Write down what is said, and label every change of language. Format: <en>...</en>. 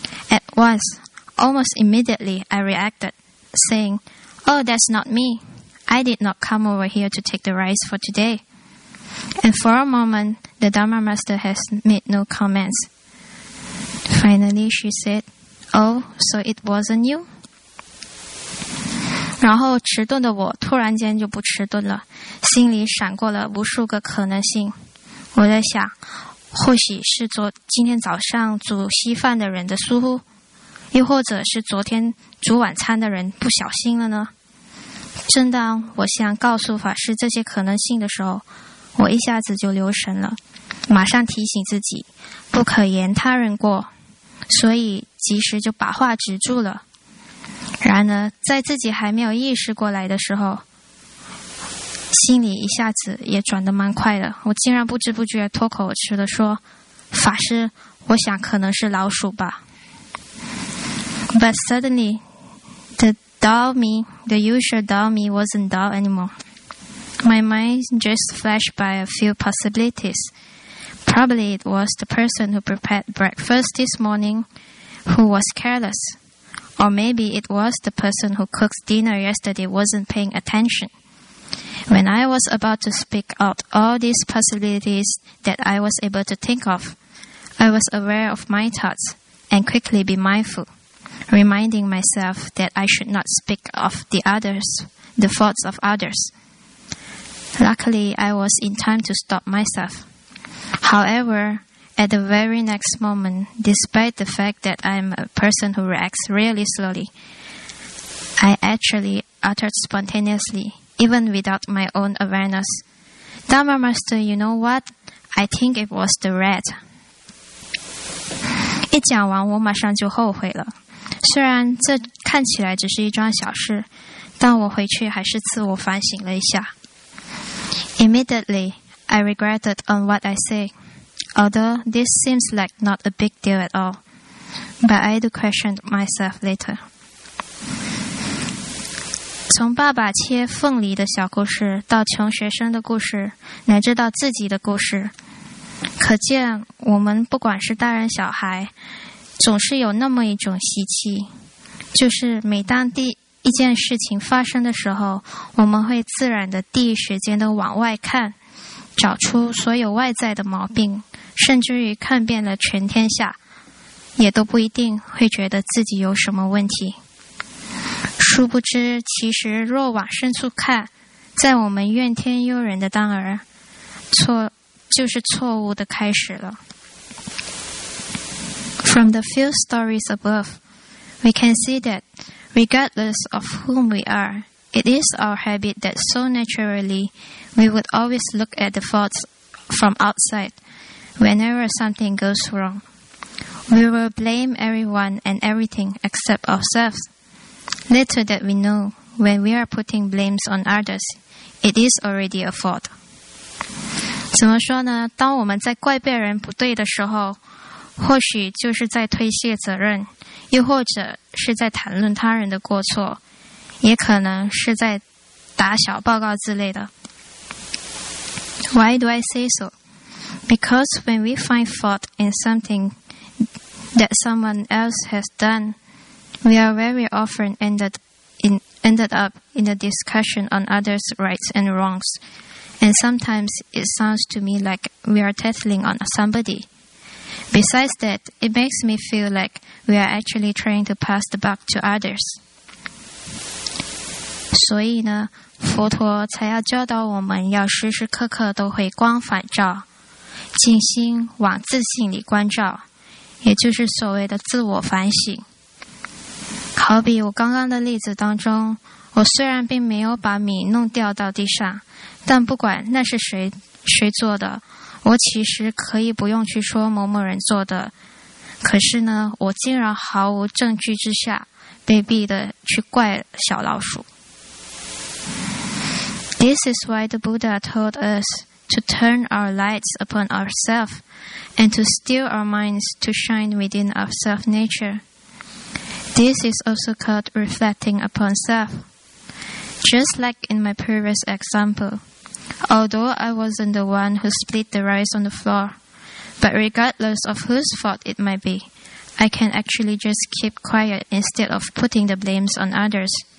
<en>At once, almost immediately, I reacted, saying, Oh, that's not me. I did not come over here to take the rice for today. And for a moment, the Dharma master has made no comments. Finally, she said, Oh, so it wasn't you?</en> <zh>然后迟钝的我突然间就不迟钝了，心里闪过了无数个可能性。我在想，或许是今天早上煮稀饭的人的疏忽，又或者是昨天煮晚餐的人不小心了呢？正当我想告诉法师这些可能性的时候，我一下子就留神了，马上提醒自己，不可言他人过。所以及时就把话止住了。然而在自己还没有意识过来的时候，心里一下子也转得蛮快的，我竟然不知不觉脱口而出的说，法师，我想可能是老鼠吧。</zh> <en>But suddenly the usual dull me wasn't dull anymore. My mind just flashed by a few possibilitiesProbably it was the person who prepared breakfast this morning who was careless. Or maybe it was the person who cooked dinner yesterday wasn't paying attention. When I was about to speak out all these possibilities that I was able to think of, I was aware of my thoughts and quickly be mindful, reminding myself that I should not speak of the thoughts of others. Luckily, I was in time to stop myself. However, at the very next moment, despite the fact that I'm a person who reacts really slowly, I actually uttered spontaneously, even without my own awareness, Dharma Master, you know what? I think it was the rat.</en> <zh>一讲完，我马上就后悔了。虽然这看起来只是一桩小事，但我回去还是自我反省了一下。</zh> <en>Immediately, I regretted on what I said. Although this seems like not a big deal at all, but I do question myself later.</en> <zh>从爸爸切凤梨的小故事，到穷学生的故事，乃至到自己的故事，可见我们不管是大人小孩，总是有那么一种习气，就是每当第一件事情发生的时候，我们会自然的第一时间的往外看，找出所有外在的毛病，甚至于看遍了全天下，也都不一定会觉得自己有什么问题。殊不知，其实若往深处看，在我们怨天尤人的当儿，错就是错误的开始了。</zh> <en>From the few stories above, we can see that, regardless of whom we are, it is our habit that so naturally we would always look at the faults from outside whenever something goes wrong. We will blame everyone and everything except ourselves. Little that we know, when we are putting blames on others, it is already a fault.</en> <zh>怎么说呢？当我们在怪别人不对的时候，或许就是在推卸责任，又或者是在谈论他人的过错，也可能是在打小报告之类的。</zh> <en>Why do I say so? Because when we find fault in something that someone else has done, we are very often ended up in a discussion on others' rights and wrongs. And sometimes it sounds to me like we are tattling on somebody. Besides that, it makes me feel like we are actually trying to pass the buck to others.</en> <zh>所以呢，佛陀才要教导我们要时时刻刻都回光返照，静心往自性里关照，也就是所谓的自我反省。好比我刚刚的例子当中，我虽然并没有把米弄掉到地上，但不管那是谁做的，我其实可以不用去说某某人做的，可是呢，我竟然毫无证据之下卑鄙的去怪小老鼠。</zh> <en>This is why the Buddha told us to turn our lights upon ourselves and to steel our minds to shine within our self nature. This is also called reflecting upon self. Just like in my previous example,Although I wasn't the one who split the rice on the floor, but regardless of whose fault it might be, I can actually just keep quiet instead of putting the blames on others.</en>